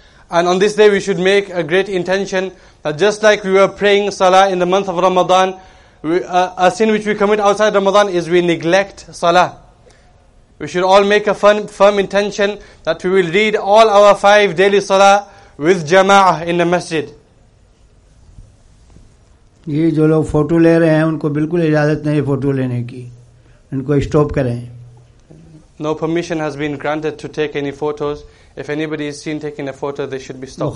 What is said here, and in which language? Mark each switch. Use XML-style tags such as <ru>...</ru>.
<en>And on this day we should make a great intention that just like we were praying salah in the month of Ramadan, a sin which we commit outside Ramadan is we neglect salah. We should all make a firm intention that we will read all our five daily salah with jama'ah in the masjid.</en> <hi>ये जो लोग photo ले रहे हैं उनको बिल्कुल इजाजत नहीं है फोटो लेने की, उनको स्टॉप करें.</hi> <en>No permission has been granted to take any photos. If anybody is seen taking a photo, they should be stopped.</en>